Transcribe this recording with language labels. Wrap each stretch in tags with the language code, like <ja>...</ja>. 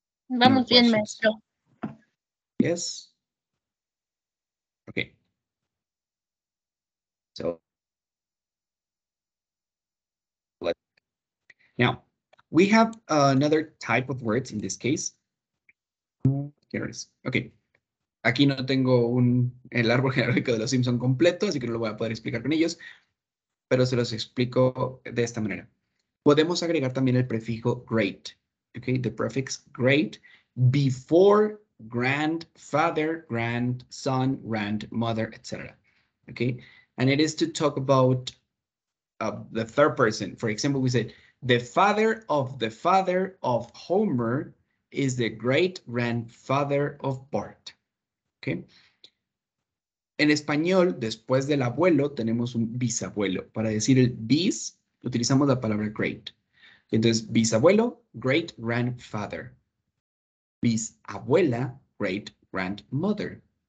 <es>Vamos bien, maestro.</es> <en>Yes. Okay. So, now, we have another type of words in this case. Here it is. Okay.</en> <es>Aquí no tengo el árbol genealógico de los Simpson completo, así que no lo voy a poder explicar con ellos, pero se los explico de esta manera. Podemos agregar también el prefijo great, okay?</es> <en>The prefix great before grandfather, grandson, grandmother, etc. Okay? And it is to talk about the third person. For example, we said the father of Homer is the great grandfather of Bart. Okay.</en> <es>En español, después del abuelo, tenemos un bisabuelo. Para decir el bis, utilizamos la palabra great. Entonces, bisabuelo,</es> <en>great grandfather.</en> <es>Bisabuela,</es> <en>great grandmother.</en>